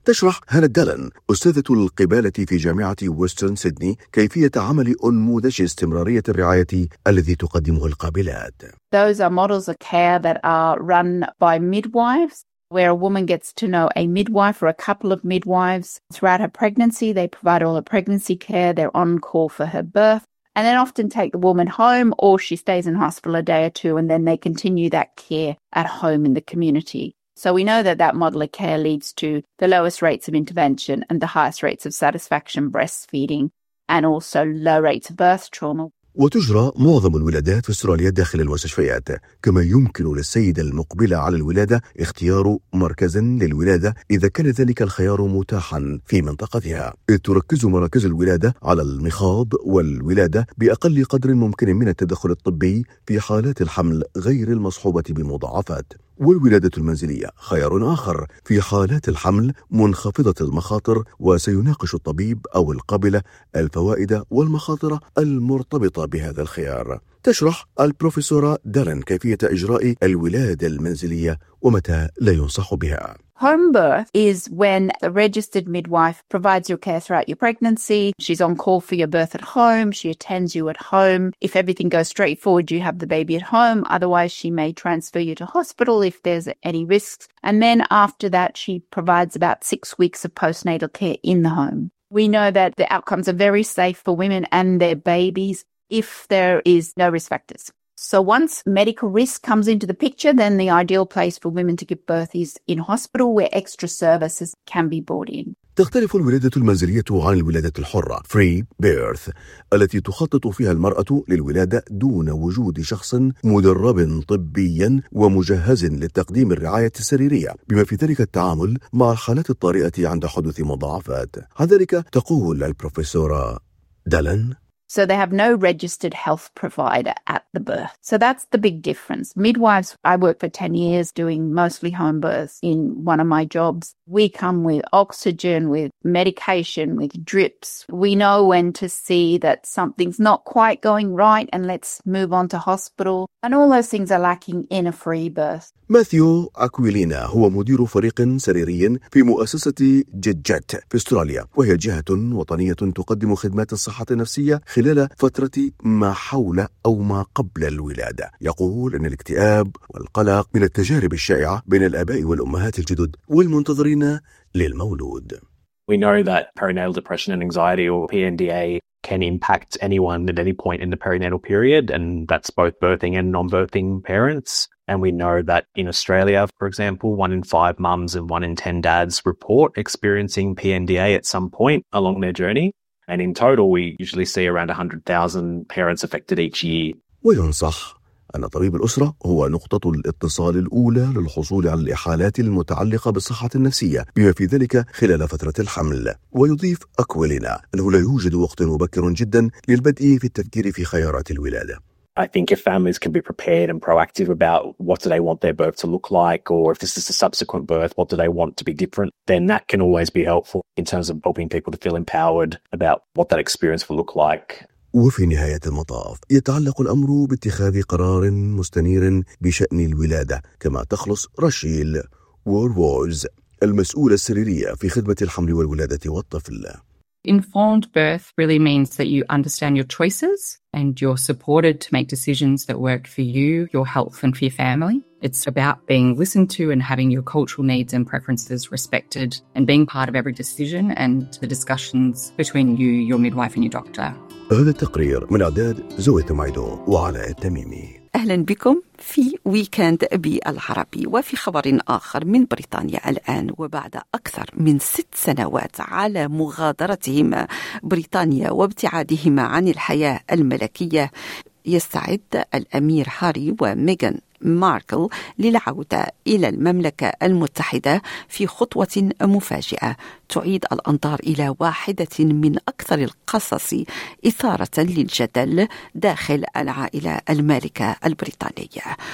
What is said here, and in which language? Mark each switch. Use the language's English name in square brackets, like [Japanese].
[Arabic] تشرح هانا دالن، أستاذة القبالة في جامعة ويسترن سيدني، كيفية عمل أنموذج استمرارية الرعاية الذي تقدمه القابلات. [English] Those are models of care that are run by midwives, where a woman gets to know a midwife or a couple of midwives throughout her pregnancy. They provide all the pregnancy care. They're on call for her birth. And then often take the woman home, or she stays in hospital a day or two, and then they continue that care at home in the community. So we know that that model of care leads to the lowest rates of intervention and the highest rates of satisfaction breastfeeding, and also low rates of birth trauma. [Arabic] وتجرى معظم الولادات في أستراليا داخل المستشفيات، كما يمكن للسيدة المقبلة على الولادة اختيار مركز للولادة إذا كان ذلك الخيار متاحا في منطقتها. تركز مراكز الولادة على المخاض والولادة بأقل قدر ممكن من التدخل الطبي في حالات الحمل غير المصحوبة بمضاعفات، والولادة المنزلية خيار آخر في حالات الحمل منخفضة المخاطر، وسيناقش الطبيب أو القابلة الفوائد والمخاطر المرتبطة بهذا الخيار. تشرح البروفيسورة دارن كيفية إجراء الولادة المنزلية ومتى لا ينصح بها. [English] Home birth is when a registered midwife provides your care throughout your pregnancy. She's on call for your birth at home. She attends you at home. If everything goes straightforward, you have the baby at home. Otherwise, she may transfer you to hospital if there's any risks. And then after that, she provides about 6 weeks of postnatal care in the home. We know that the outcomes are very safe for women and their babies if there is no risk factors. So once medical risk comes into the picture, then the ideal place for women to give birth is in hospital, where extra services can be brought in. [Arabic] تختلف الولادة المنزلية عن الولادة الحرة free birth التي تخطط فيها المرأة للولادة دون وجود شخص مدرب طبيا ومجهز لتقديم الرعاية السريرية، بما في ذلك التعامل مع الحالات الطارئة عند حدوث مضاعفات. عن ذلك تقول البروفيسورة دالن: [English] So they have no registered health provider at the birth. So that's the big difference. Midwives, I worked for 10 years doing mostly home births in one of my jobs. We come with oxygen, with medication, with drips. We know when to see that something's not quite going right and let's move on to hospital. And all those things are lacking in a free birth. [Arabic] ماثيو أكويلينا هو مدير فريق سريري في مؤسسة جيت في أستراليا، وهي جهة وطنية تقدم خدمات الصحة النفسية خلال فترة ما حول أو ما قبل الولادة. يقول أن الاكتئاب والقلق من التجارب الشائعة بين الآباء والأمهات الجدد والمنتظرين للمولود. [English] We know that perinatal depression and anxiety, or PNDA, can impact anyone at any point in the perinatal period, and that's both birthing and non-birthing parents. And we know that in Australia, for example, 1 in 5 mums and 1 in 10 dads report experiencing PNDA at some point along their journey. And in total, we usually see around 100,000 parents affected each year. [Arabic] وينصح أن طبيب الأسرة هو نقطة الاتصال الأولى للحصول على الإحالات المتعلقة بالصحة النفسية، بما في ذلك خلال فترة الحمل. ويضيف أكويلينا أنه لا يوجد وقت مبكر جدا للبدء في التفكير في خيارات الولادة. [English] I think if families can be prepared and proactive about what do they want their birth to look like, or if this is a subsequent birth, what do they want to be different, then that can always be helpful in terms of helping people to feel empowered about what that experience will look like. [Arabic] وفي نهاية المطاف يتعلق الأمر باتخاذ قرار مستنير بشأن الولادة، كما تخلص راشيل وورز المسؤولة السريرية في خدمة الحمل والولادة والطفل. [English] Informed birth really means that you understand your choices and you're supported to make decisions that work for you, your health and for your family. It's about being listened to and having your cultural needs and preferences respected and being part of every decision and the discussions between you, your midwife and your doctor. [Arabic] هذا التقرير من أعداد زوية تمايدو وعلاء التميمي. أهلا بكم في ويكند بالعربي. وفي خبر آخر من بريطانيا الآن، وبعد أكثر من 6 سنوات على مغادرتهما بريطانيا وابتعادهما عن الحياة الملكية، يستعد الأمير هاري وميغان ماركل للعودة إلى المملكة المتحدة في خطوة مفاجئة تعيد الأنظار إلى واحدة من أكثر القصص إثارة للجدل داخل العائلة المالكة البريطانية.